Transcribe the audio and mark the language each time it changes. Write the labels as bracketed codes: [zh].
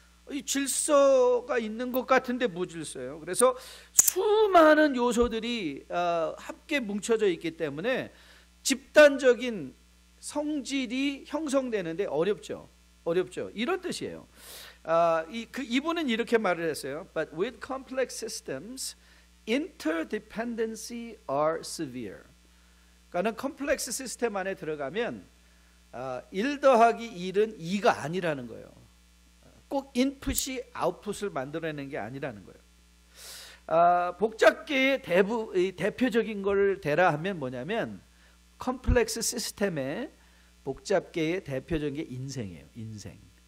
[ko] 이 질서가 있는 것 같은데 무질서예요. 그래서 수많은 요소들이 함께 뭉쳐져 있기 때문에 집단적인 성질이 형성되는데 어렵죠. 어렵죠. 이런 뜻이에요. 이분은 이렇게 말을 했어요. [en] But with complex systems, interdependency are severe. [ko] 그러니까는 컴플렉스 시스템 안에 들어가면 1 더하기 1은 2가 아니라는 거예요. 꼭 인풋이 아웃풋을 만들어내는 게 아니라는 거예요. 복잡계의 대표적인 걸 대라 하면 뭐냐면 컴플렉스 시스템의 복잡계의 대표적인 게 인생이에요. 인생.